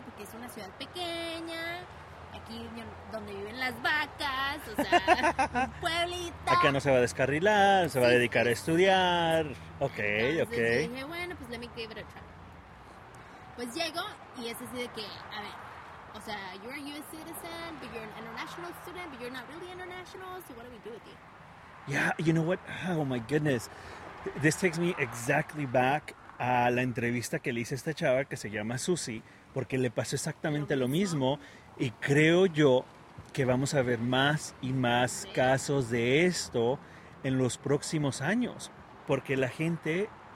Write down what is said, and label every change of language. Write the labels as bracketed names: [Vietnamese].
[Spanish] Porque es una ciudad pequeña, aquí donde viven las vacas, o sea, un pueblito. Acá no se va a descarrilar, se va a dedicar a estudiar. Ok, entonces, ok. Y dije, bueno, pues [English] let me give it a try. [Spanish] Pues llego y es así de que, a ver... O sea, [English] you're a U.S. citizen, but you're an international student, but you're not really international, so what do we do with you? Yeah, you know what? Oh, my goodness. This takes me exactly back [Spanish] a la entrevista que le hice a esta chava que se llama Susie, porque le pasó exactamente lo mismo, y creo yo que vamos a ver más y más casos de esto en los próximos años, porque la gente...